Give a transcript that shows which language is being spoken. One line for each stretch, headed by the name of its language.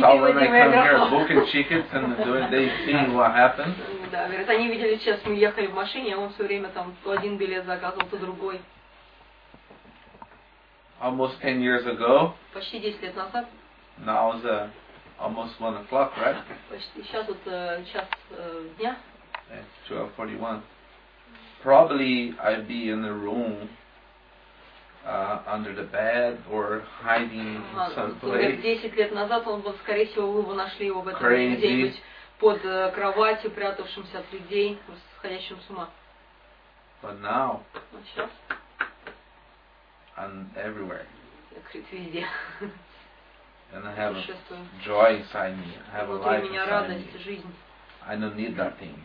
English: saw when I come here booking tickets and doing, they seeing what happened?
Russian: Да, говорят, они видели, сейчас мы ехали в машине, а он все время там то один билет заказывал, то другой.
English: Almost 10 years ago.
Russian: Почти 10 лет назад.
English: Now it's almost 1 o'clock, right?
Russian: Сейчас вот час дня.
English: It's 12:41. Probably I'd be in the room under the bed or hiding in some place.
Russian: 10 лет назад он был, скорее всего, вы бы нашли его в этом где-нибудь под кроватью, прятавшимся от людей, сходящим с ума.
English: But now.
Russian: Сейчас.
English: And everywhere.
Russian: Крит везде.
English: And I have a joy inside me. I have a life inside me. I don't need that thing.